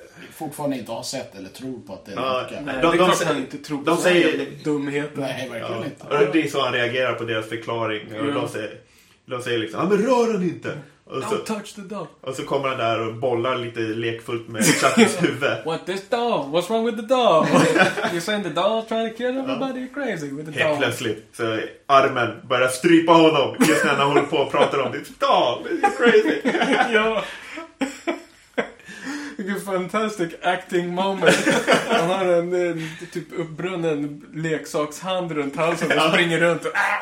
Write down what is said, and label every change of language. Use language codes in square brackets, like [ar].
[sv] fortfarande inte har sett eller tror på att det är de säger dumheten. Nej, verkligen inte. Och det är så han reagerar på deras förklaring. Mm. Och de säger liksom, men rör han inte! Och [en] don't touch the dog. [sv] Och så kommer han där och bollar lite lekfullt med Chuckies huvud. [en] What this dog? What's wrong with the dog? You're saying the dog trying to kill everybody? You're crazy with the dog. [sv] Helt plötsligt. Så armen börjar strypa honom just när han håller på och pratar om det. [en] Dog, you're crazy. [sv] Ja. Vilken [en] fantastic acting moment. [sv] Han har en typ uppbrunnen leksakshand runt halsen och springer runt och